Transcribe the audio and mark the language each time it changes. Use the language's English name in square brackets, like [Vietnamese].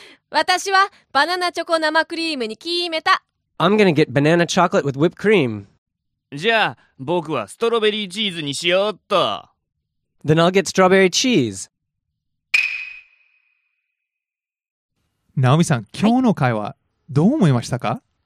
[Japanese] 私はバナナチョコ生クリームに決めた。 [English] I'm gonna get banana chocolate with whipped cream. [Japanese] じゃあ、僕はストロベリーチーズにしようっと。 [English] Then I'll get strawberry cheese. [Japanese] ナオミさん、今日の会話、どう思いましたか？